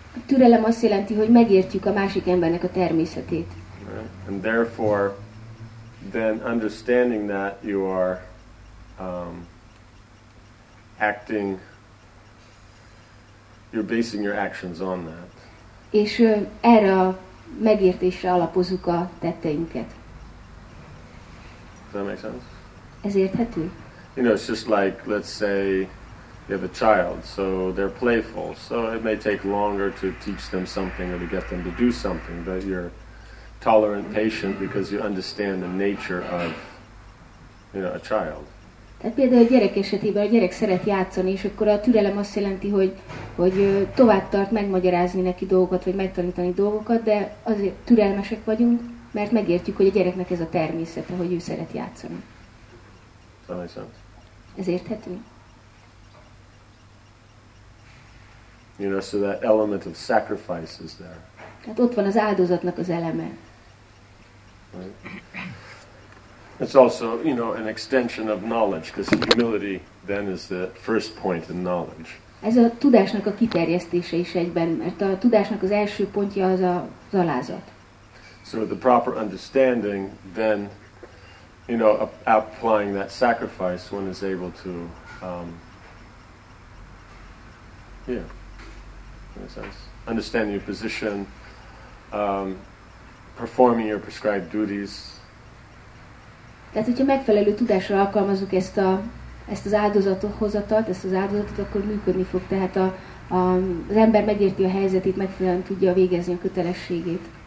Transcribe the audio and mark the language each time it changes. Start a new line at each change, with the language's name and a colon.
Hungarian: Türelem azt jelenti, hogy megértjük a másik embernek a természetét.
English: And therefore, then understanding that you are acting, you're basing your actions on that.
Hungarian: És erre a megértésre alapozunk a tetteinket.
English: Does that make sense?
Hungarian: Ez érthető?
English: You know, it's just like, let's say, you have a child, so they're playful, so it may take longer to teach them something or to get them to do something, but you're tolerant, patient, because you understand the nature of, you know, a child.
Hungarian: Tehát például a gyerek esetében a gyerek szeret játszani, és akkor a türelem azt jelenti, hogy tovább tart megmagyarázni neki dolgokat, vagy megtanítani dolgokat, de azért türelmesek vagyunk, mert megértjük, hogy a gyereknek ez a természete, hogy ő szeret játszani.
English: Right. That makes sense.
Hungarian: Ez érthető?
English: You know, so that element of sacrifice is there.
Hungarian: Hát ott van az áldozatnak az eleme.
English: Right. It's also, you know, an extension of knowledge, because humility then is the first point in knowledge.
Hungarian: Ez a tudásnak a kiterjesztése is egyben, mert a tudásnak az első pontja az a alázat.
English: So the proper understanding, then, you know, applying that sacrifice, one is able to, understand your position, performing your prescribed duties.
Hungarian: Tehát, hogyha megfelelő tudásra alkalmazzuk ezt a ezt az áldozathozatat, ezt az áldozatot, akkor működni fog. Tehát az ember megérti a helyzetét, megfelelően tudja végezni a kötelességét.